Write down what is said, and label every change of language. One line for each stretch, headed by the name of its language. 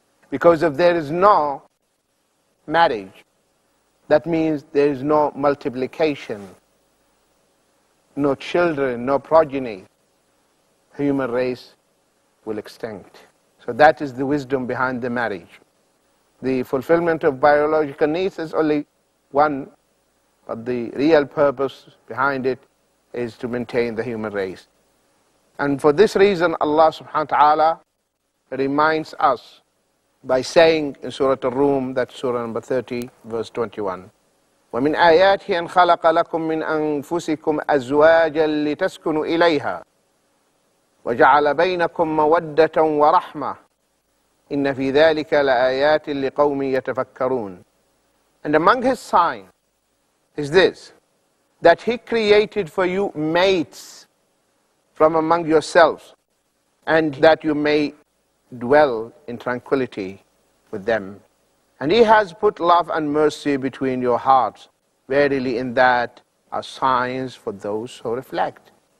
English: Because if there is no marriage, that means there is no multiplication, no children, no progeny, human race will extinct. So that is the wisdom behind the marriage. The fulfillment of biological needs is only one, but the real purpose behind it is to maintain the human race. And for this reason, Allah subhanahu wa ta'ala reminds us by saying in Surah Ar-Rum, that Surah number 30, verse 21,
Arabic: وَمِنْ آيَاتِهِ أَنْ خَلَقَ لَكُمْ مِنْ أَنْفُسِكُمْ أَزْوَاجًا لِتَسْكُنُوا إِلَيْهَا وَجَعَلَ بَيْنَكُمْ مَوَدَّةً وَرَحْمَةً إِنَّ فِي ذَلِكَ لَآيَاتٍ لِقَوْمٍ يَتَفَكَّرُونَ.
English: And among his signs is this, that he created for you mates from among yourselves, and that you may dwell in tranquility with them. And he has put love and mercy between your hearts. Verily in that are signs for those who reflect.